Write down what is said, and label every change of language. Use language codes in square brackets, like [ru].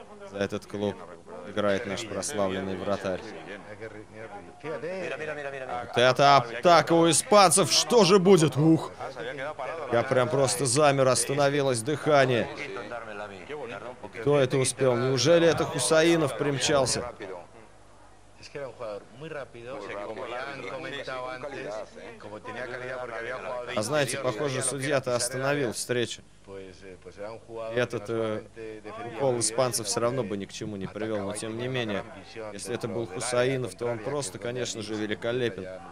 [ru] За этот клуб играет наш прославленный вратарь. Вот это атака у испанцев. Что же будет? Ух! Я прям просто замер, остановилось дыхание. Кто это успел? Неужели это Хусаинов примчался? [es] Que era un jugador muy rápido, o sea, que como ya han comentado antes, como tenía calidad porque había jugado de [ru] знаете, похоже, судья-то остановил встречу. [es] Pues era un jugador. [ru] Этот укол испанцев все равно бы ни к чему не привел, но тем не менее, если это был Хусаинов, то он просто, конечно же, великолепен.